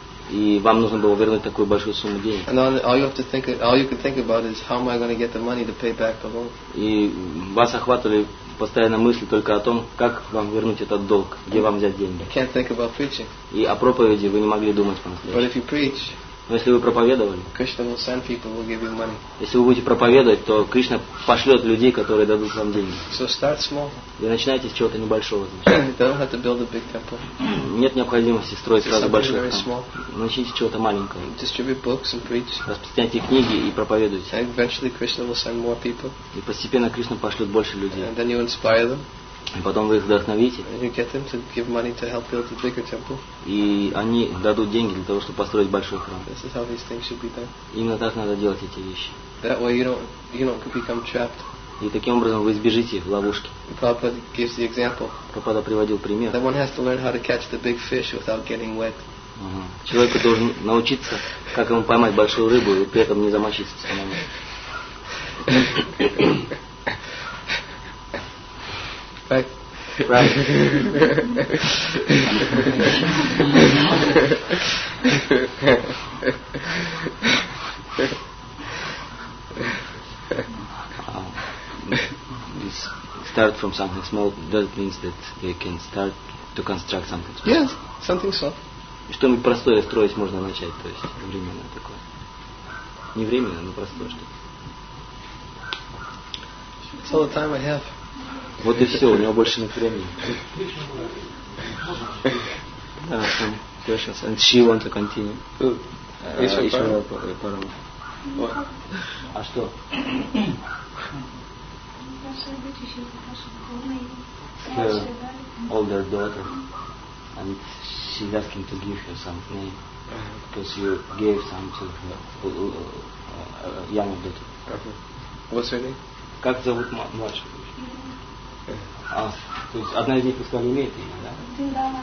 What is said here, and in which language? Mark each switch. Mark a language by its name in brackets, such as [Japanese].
[Russian] И вам нужно было вернуть такую большую сумму денег. [English] And all you have to think, all you can think about is how am I going to get the money to pay back the loan. [Russian] И вас охватывали постоянно мысли только о том, как вам вернуть этот долг, где вам взять деньги. [English] I can't think about preaching. [Russian] И о проповеди вы не могли думать по-настоящему. [English] But if you preach. [Russian] Но если вы проповедовали, [English] Krishna will send people, will give you money. [Russian] Если вы будете проповедовать, то Кришна пошлет людей, которые дадут вам деньги. [English] So start small. [Russian] И начинайте с чего-то небольшого. [English] Don't have to build a big temple. [Russian] Нет необходимости строить сразу большой [English] храм. Very small. [Russian] Начните с чего-то маленького. [English] Distribute books and preach. [Russian] Распространяйте книги и проповедуйте. [English] And eventually Krishna will send more people. [Russian] И постепенно Кришна пошлет больше людей. [English] And then you inspire them. [Russian] И потом вы их вдохновите. [English] And you get them to give money to help build a bigger temple. [Russian] И они дадут деньги для того, чтобы построить большой храм. [English] This is how these things should be done. [Russian] Именно так надо делать эти вещи. [English] That way you don't become trapped. [Russian] И таким образом вы избежите ловушки. [English] Prabhupada gives the example. [Russian] Prabhupada приводил пример. [English] That one has to learn how to catch the big fish without getting wet. [Russian] Человек должен научиться, как ему поймать большую рыбу и при этом не замочиться самому. [English] Right. Start from something small. That means that they can start to construct something small. Yes, something small. [Russian] Что-нибудь простое строить можно начать, то есть временное такое. Не временное, но простое что. [English] That's all the time I have. [Russian] Вот и все, у него больше нет времени. [English] Questions. And she wants to continue. [Russian] Еще пару. А что? [English] Her older daughter. And she's asking to give her some name. Because you gave some to her younger daughter. What's her name? [Russian] Как зовут младшую? А, то есть одна из них искала имеет имя, да?